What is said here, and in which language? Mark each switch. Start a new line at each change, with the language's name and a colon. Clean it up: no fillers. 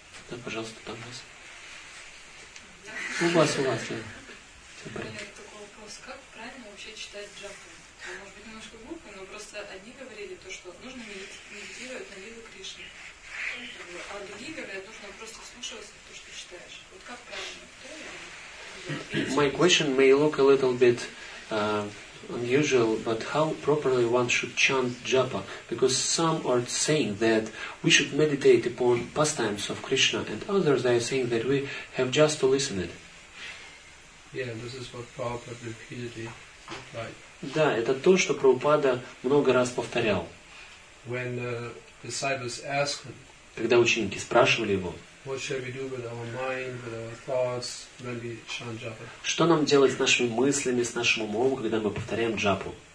Russian: Да, пожалуйста, там у вас. У вас, да. У меня такой вопрос. Как правильно вообще читать джапу? Может быть, немножко глупо, но просто одни говорили то, что нужно медитировать на лилу Кришны. А другие говорят, нужно просто слушаться то, что читаешь. Вот как правильно?
English: My question may look a little bit unusual, but how properly one should chant japa? Because some are saying that we should meditate upon pastimes of Krishna, and others are saying that we have just to listen it. Yeah, this is what Prabhupada repeatedly replied.
Russian: Да, это то, что Прабхупада много раз повторял.
English: When the disciples asked him,
Russian: когда ученики спрашивали его,
English: what shall we do with our mind, with our thoughts, when we chant japa?
Russian: Что нам делать с нашими мыслями, с нашим умом, когда мы повторяем джапу?